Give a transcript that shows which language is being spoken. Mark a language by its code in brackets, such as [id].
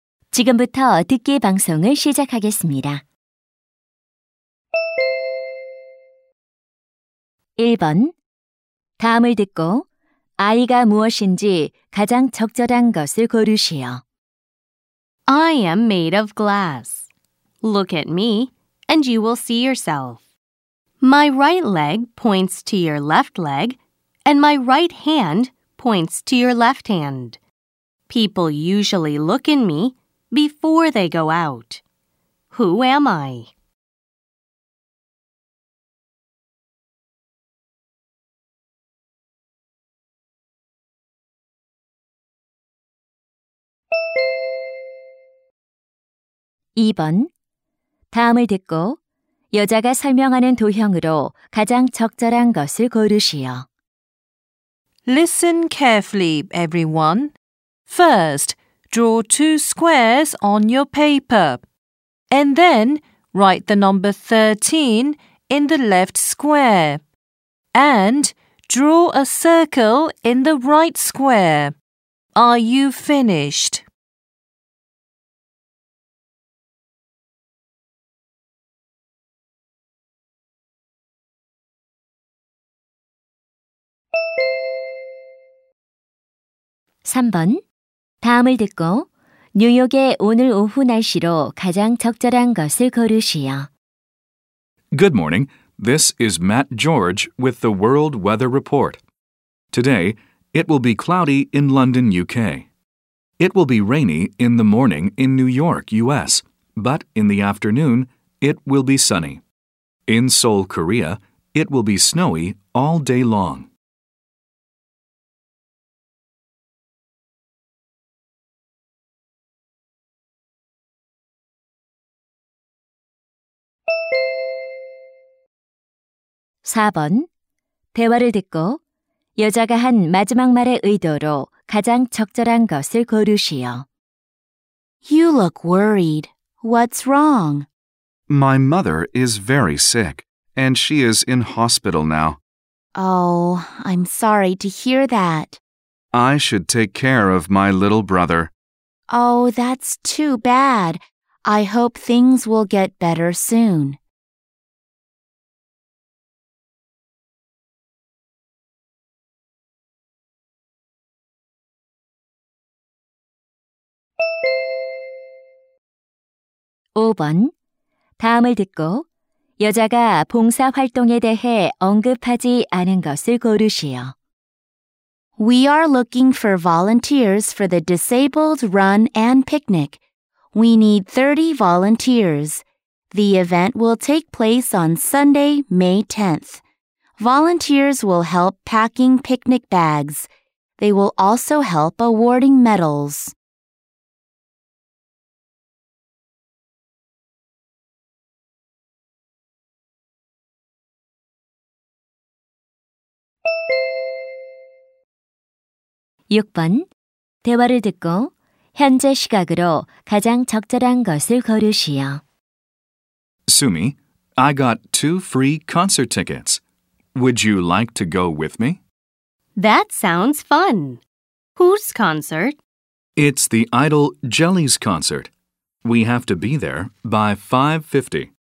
[ko] 지금부터 듣기 방송을 시작하겠습니다. 1번 다음을 듣고 I가 무엇인지 가장 적절한 것을 고르시오. [en] I am made of glass. Look at me and you will see yourself. My right leg points to your left leg and my right hand points to your left hand. People usually look in me before they go out. Who am I? [ko] 2번. 다음을 듣고 여자가 설명하는 도형으로 가장 적절한 것을 고르시오. [en] Listen carefully, everyone. First, draw two squares on your paper. And then, write the number 13 in the left square. And draw a circle in the right square. Are you finished? [ko] 3번. 다음을 듣고 뉴욕의 오늘 오후 날씨로 가장 적절한 것을 고르시오. [en] Good morning. This is Matt George with the World Weather Report. Today, it will be cloudy in London, UK. It will be rainy in the morning in New York, US, but in the afternoon, it will be sunny. In Seoul, Korea, it will be snowy all day long. [ko] 4번. 대화를 듣고 여자가 한 마지막 말의 의도로 가장 적절한 것을 고르시오. [en] You look worried. What's wrong? My mother is very sick, and she is in hospital now. Oh, I'm sorry to hear that. I should take care of my little brother. Oh, that's too bad. I hope things will get better soon. [ko] 5번. 다음을 듣고 여자가 봉사 활동에 대해 언급하지 않은 것을 고르시오. [en] We are looking for volunteers for the disabled run and picnic. We need 30 volunteers. The event will take place on Sunday, May 10th. Volunteers will help packing picnic bags. They will also help awarding medals. [ko] 6번. 대화를 듣고 현재 시각으로 가장 적절한 것을 고르시오. [en] Sumi, I got two free concert tickets. Would you like to go with me? That sounds fun. Whose concert? It's the idol Jelly's concert. We have to be there by 5:50.